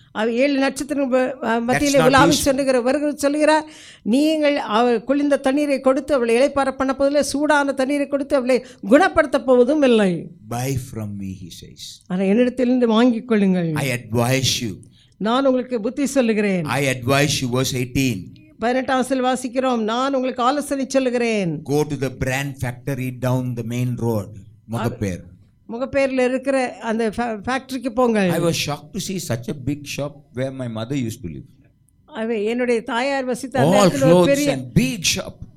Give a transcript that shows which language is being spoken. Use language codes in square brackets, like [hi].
[ta] அவர் ஏழு நட்சத்திரங்கள் மத்தியிலே உலாவி சொல்லுகிறவர்கள் சொல்கிறார், நீங்கள் அவள் குளிர்ந்த தண்ணீரை கொடுத்து அவளை இளைப்பார பண்ண போதிலே சூடான தண்ணீரை கொடுத்து அவளை குணப்படுத்த போவதும் இல்லை. [en] Buy from me, he says. [ta] ஆனால் என்னிடத்திலிருந்து வாங்கிக் கொள்ளுங்கள். [en] I advise you. [ta] நான் உங்களுக்கு புத்தி சொல்லுகிறேன். [en] I advise you, verse 18. [ta] 18வது வாசிக்கிறோம், நான் உங்களுக்கு ஆலோசனை சொல்லுகிறேன். [en] Go to the brand factory down the main road. [ta] Mogappair. முகப்பேரில் இருக்கிற அந்த ஃபேக்டரிக்கு போங்கள். [en] I was shocked to see such a big shop where my mother used to live. [ta] அவே என்னுடைய தாயார் வசித்த அந்த ஒரு பெரிய [en] All clothes and big shop.